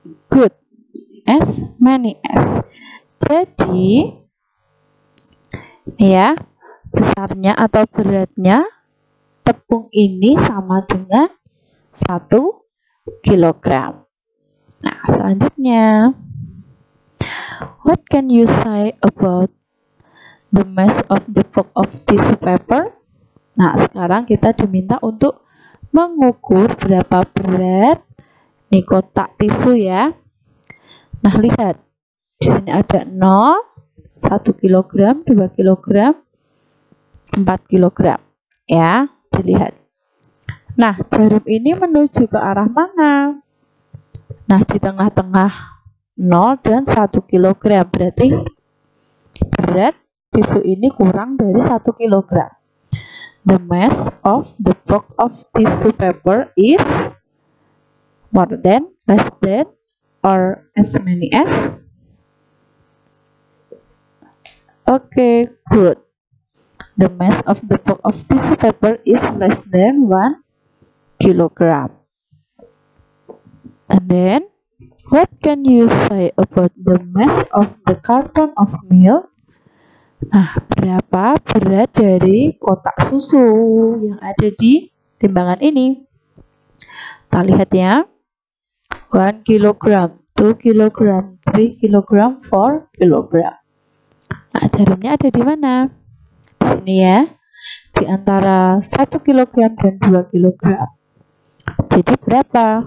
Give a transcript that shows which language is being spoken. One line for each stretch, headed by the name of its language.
English: Good, as many as.
Indonesian: Jadi, ya, besarnya atau beratnya tepung ini sama dengan 1 kilogram. Nah, selanjutnya,
English: what can you say about the mass of the bulk of tissue paper?
Indonesian: Nah, sekarang kita diminta untuk mengukur berapa berat nih kotak tisu ya. Nah, lihat. Di sini ada 0, 1 kg, 2 kg, 4 kg. Ya, dilihat. Nah, jarum ini menuju ke arah mana? Nah, di tengah-tengah 0 dan 1 kg. Berarti berat tisu ini kurang dari 1 kg.
English: The mass of the bulk of tissue paper is more than, less than, or as many as. Okay, good. The mass of the bulk of tissue paper is less than 1 kg. And then, what can you say about the mass of the carton of milk?
Indonesian: Nah, berapa berat dari kotak susu yang ada di timbangan ini? Kita lihat ya. 1 kg, 2 kg, 3 kg, 4 kg. Nah, jarumnya ada di mana? Di sini ya. Di antara 1 kg dan 2 kg. Jadi berapa?